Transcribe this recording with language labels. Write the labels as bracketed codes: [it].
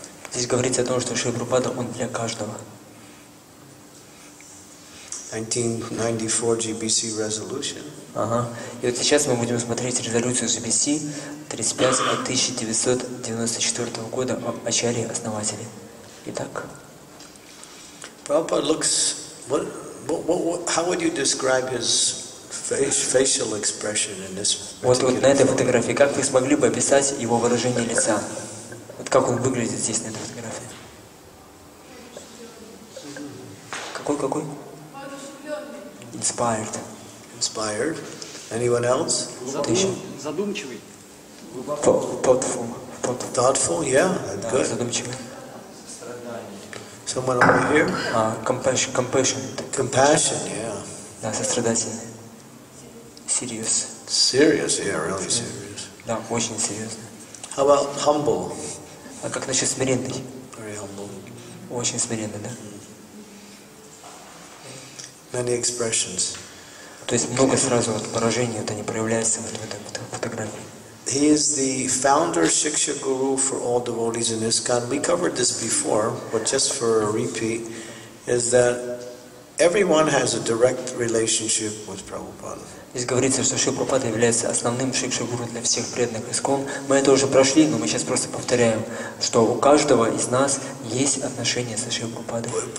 [ru] Здесь говорится о том, что Шрила Прабхупада, он для каждого. [en] 1994 GBC resolution. [ru] Ага. И вот сейчас мы будем смотреть резолюцию GBC 35 от 1994 года об ачарье-основателе. Итак. [en] Prabhupada looks, how would you describe his facial expression in this particular? [ru] Вот на этой фотографии, как вы смогли бы описать его выражение лица? Вот как он выглядит здесь на этой фотографии? Какой? [en] Inspired. Inspired. Anyone else? [ru] Задумчивый. [en] Thoughtful. Thoughtful, yeah, good. [ru] Задумчивый. [en] Someone over here? Compassion. Compassion, yeah. [ru] Да, сострадательный. [en] Serious. Serious, yeah, really serious. [ru] Да, очень серьезно. [en] How about humble? [ru] А как насчет смиренный? [en] Very humble. [ru] Очень смиренный, да? [en] Many expressions. [ru] То есть много сразу вот выражений, это не проявляется вот в этой фотографии. [en] He is the founder Shiksha Guru for all devotees in ISKCON. We covered this before, but just for a repeat, is that everyone has a direct relationship with Prabhupada. [ru] Здесь говорится, что Шрила Прабхупада является основным Шикша Гуру для всех преданных ИСКОН. Мы это уже прошли, но мы сейчас просто повторяем, что у каждого из нас есть отношения со Шрилой Прабхупадой.